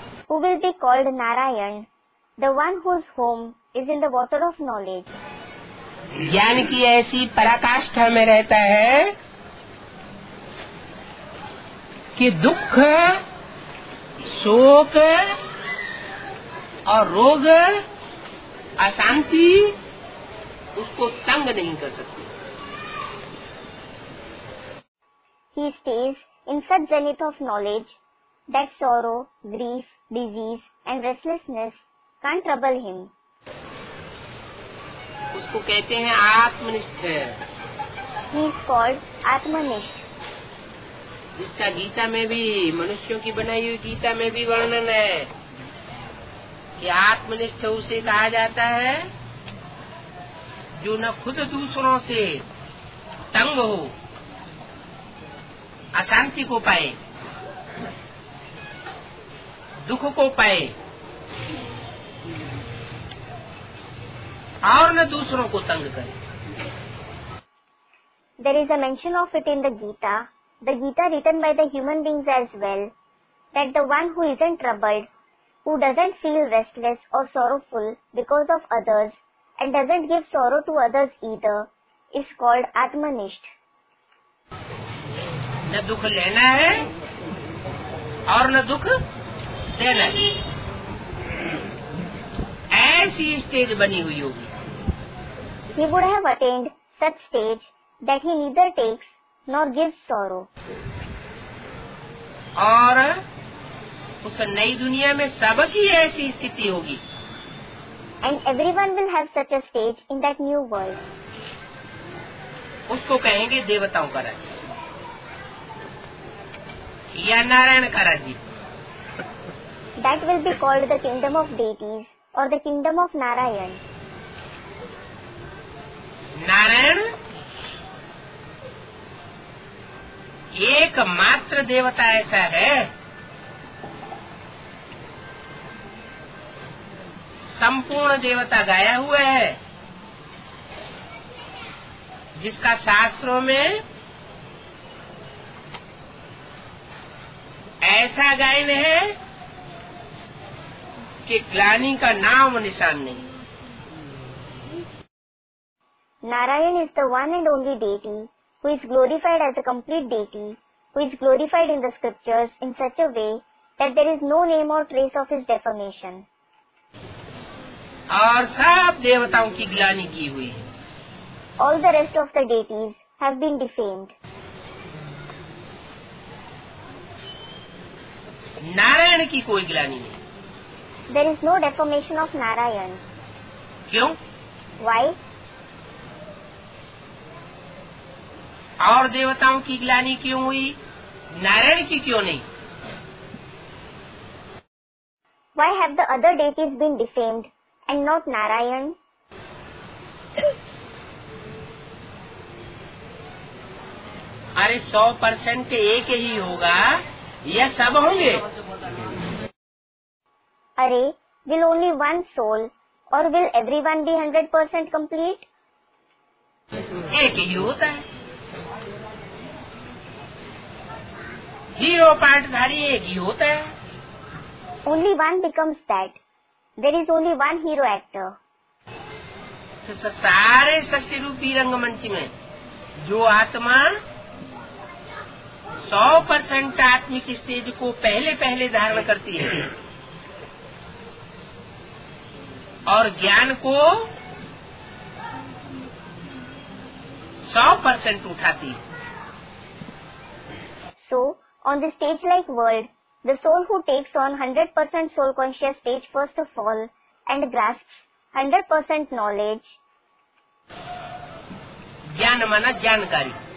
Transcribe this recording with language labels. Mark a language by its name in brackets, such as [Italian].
[English] Who will be called Narayan, the one whose home is in the water of knowledge. [Hindi] ज्ञान की ऐसी पराकाष्ठा में रहता है कि दुख शोक और रोग अशांति उसको तंग नहीं कर सकती। [English] He stays in such zenith of knowledge that sorrow, grief, disease and restlessness can't trouble him. [Hindi] को कहते हैं आत्मनिष्ठ। [English] He is called आत्मनिष्ठ। [Hindi] जिसका गीता में भी, मनुष्यों की बनाई हुई गीता में भी वर्णन है कि आत्मनिष्ठ उसे कहा जाता है जो न खुद दूसरों से तंग हो, अशांति को पाए, दुख को पाए और न दूसरों को तंग करे। [English] There is a mention of it in the Gita. The Gita written by the human beings as well, that the one who isn't troubled, who doesn't feel restless or sorrowful because of others and doesn't give sorrow to others either, is called Atmanishth. [Hindi] Na dukh lena hai aur na dukh dena hai. Aisi stage bani hui hogi. [English] He would have attained such stage that he neither takes nor gives sorrow. [Hindi] और उस नई दुनिया में सबकी ऐसी स्थिति होगी। [English] And everyone will have such a stage in that new world. [Hindi] उसको कहेंगे देवताओं का राज्य या नारायण का राज्य। [English] That will be called the kingdom of deities or the kingdom of Narayan. [Hindi] Narayan एकमात्र देवता ऐसा है, संपूर्ण देवता गाया हुआ है, जिसका शास्त्रों में ऐसा गायन है कि ग्लानी का नाम निशान नहीं। [English] Narayan is the one and only deity who is glorified as a complete deity, who is glorified in the scriptures in such a way that there is no name or trace of his defamation. [Hindi] Aur sab devtaon ki glani ki hui. [English] All the rest of the deities have been defamed. [Hindi] Narayan ki koi glani nahi. [English] There is no defamation of Narayan. [Hindi] Kyun? [English] Why? [Hindi] और देवताओं की ग्लानी क्यों हुई, नारायण की क्यों नहीं? [English] Why have the other deities been defamed and not Narayan? [Hindi] अरे 100% एक ही होगा या सब होंगे? [English] अरे will only one soul or will everyone be 100% complete? [Hindi] एक ही होता है, हीरो पार्टधारी एक ही होता है। [English] Only one becomes that, there is only one hero actor. [Hindi] सारे शक्ति रूपी रंगमंच में जो आत्मा 100% आत्मिक स्टेज को पहले पहले धारण करती है और ज्ञान को 100% उठाती है। [English] So On the stage-like world, the soul who takes on 100% soul conscious stage first of all and grasps 100% knowledge. [Hindi] Gyan mana jankari.